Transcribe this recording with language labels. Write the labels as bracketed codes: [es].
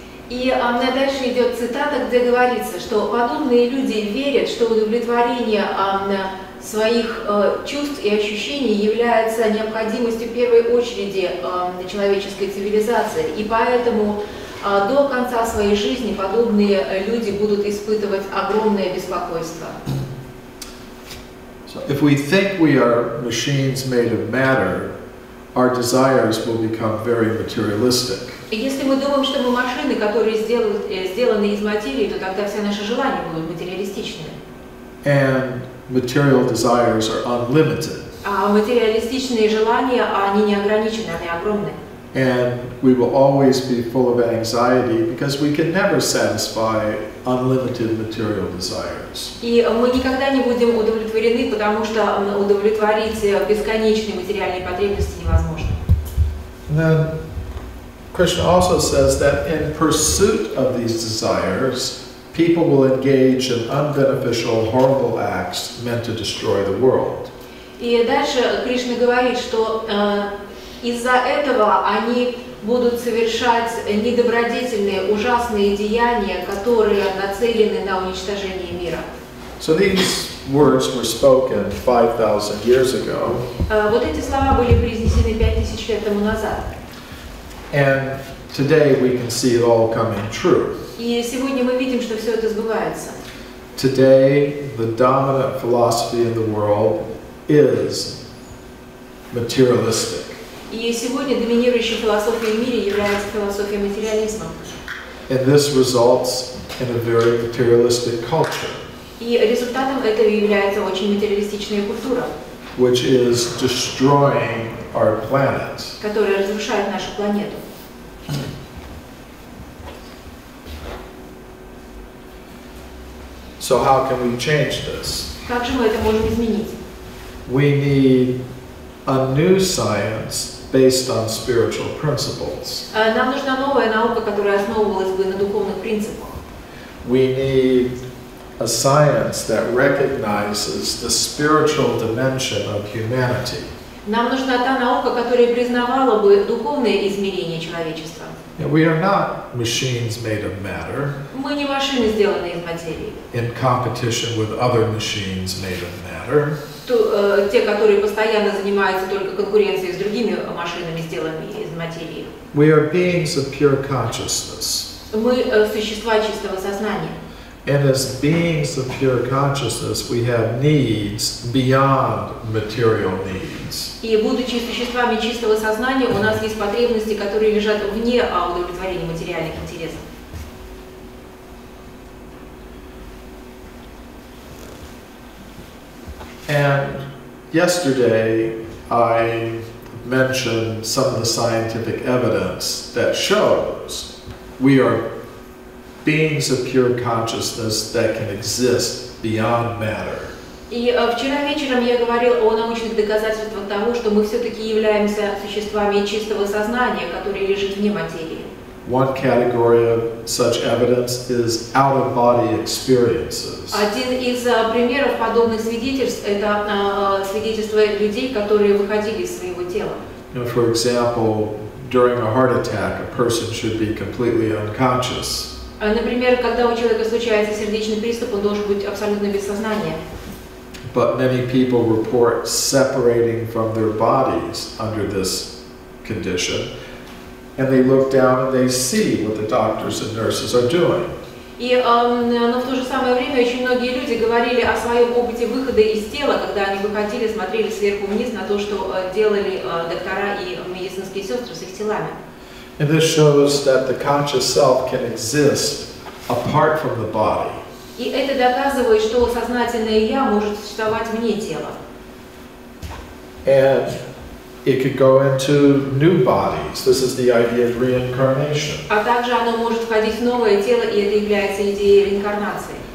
[ru] И дальше идет цитата, где говорится, что подобные люди верят, что удовлетворение своих чувств и ощущений является необходимостью в первой очереди человеческой цивилизации. И поэтому до конца своей жизни подобные люди будут испытывать огромное беспокойство. [en] So if we think we are machines made of matter, our desires will become very materialistic. [ru] Если мы думаем, что мы машины, которые сделаны из материи, то тогда все наши желания будут материалистичными. [en] And material desires are unlimited. [ru] А материалистичные желания, они не ограничены, они огромны. [en] And we will always be full of anxiety because we can never satisfy unlimited material desires. [ru] И мы никогда не будем удовлетворены, потому что удовлетворить бесконечные материальные потребности невозможно. [en] Krishna also says that in pursuit of these desires, people will engage in unbeneficial, horrible acts meant to destroy the world. [ru] И дальше Кришна говорит, что из-за этого они будут совершать недобродетельные, ужасные деяния, которые нацелены на уничтожение мира. [en] So these words were spoken 5,000 years ago. [ru] Вот эти слова были произнесены 5,000 лет тому назад. [en] And today we can see it all coming true. [ru] И сегодня мы видим, что все это сбывается. [en] Today the dominant philosophy in the world is materialistic. [ru] И сегодня доминирующей философией в мире является философия материализма. [en] And this results in a very materialistic culture. [ru] И результатом этого является очень материалистичная культура. [en] Which is destroying our planet. [ru] Которая разрушает нашу планету. [en] So how can we change this? [ru] Как же мы это можем изменить? [en] We need a new science based on spiritual principles. [ru] Нам нужна новая наука, которая основывалась бы на духовных принципах. [en] We need a science that recognizes the spiritual dimension of humanity. [ru] Нам нужна та наука, которая признавала бы духовные измерения человечества. [en] We are not machines made of matter. [ru] Мы не машины, сделанные из материи. [en] In competition with other machines made of matter. [ru] Те, которые постоянно занимаются только конкуренцией с другими машинами, сделанными из материи. [en] We are beings of pure consciousness. [ru] Мы существа чистого сознания. [en] And as beings of pure consciousness, we have needs beyond material needs. [ru] И будучи существами чистого сознания, у нас есть потребности, которые лежат вне удовлетворения материальных интересов. [en] And yesterday I mentioned some of the scientific evidence that shows we are beings of pure consciousness that can exist beyond matter. [ru] И вчера вечером я говорил о научных доказательствах того, что мы все-таки являемся существами чистого сознания, которые лежат вне материи. [en] One category of such evidence is out-of-body experiences. [ru] Один из примеров подобных свидетельств – это свидетельство людей, которые выходили из своего тела. [en] And for example, during a heart attack, a person should be completely unconscious. [ru] Например, когда у человека случается сердечный приступ, он должен быть абсолютно без сознания. [en] But many people report separating from their bodies under this condition. And they look down and they see what the doctors and nurses are doing. [ru] И, но в то же самое время очень многие люди говорили о своем опыте выхода из тела, когда они выходили, смотрели сверху вниз на то, что делали доктора и медицинские сестры с их телами. [en] And this shows that the conscious self can exist apart from the body. [ru] И это доказывает, что сознательное я может существовать вне тела. [en] And it could go into new bodies. This is the idea of reincarnation. [ru] А также оно может входить в новое тело, и это является идеей реинкарнации.